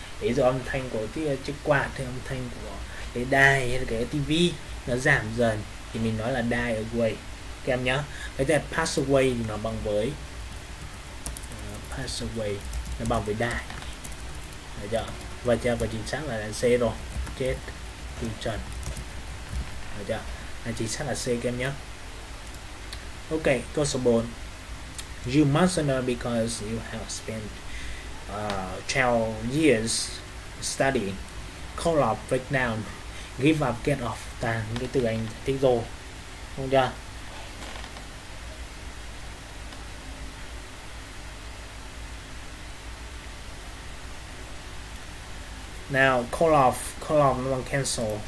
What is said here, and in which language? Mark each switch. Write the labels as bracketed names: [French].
[Vietnamese] Ví dụ âm thanh của cái chiếc quạt thì âm thanh của cái đài hay là cái tivi nó giảm dần thì mình nói là die away các em nhá. Cái là pass away thì nó bằng với pass away, nó bằng với die, được chưa? Và chưa, và chính xác là C rồi, chết từ trần, được chưa? Là chính xác là C các em nhá. Ok, câu số 4. [English] You must know because you have spent 12 years studying. Call off, break down, give up, get off. [Vietnamese] Toàn cái từ anh thích rồi, không chưa? [English] Now, call off nó bằng cancel.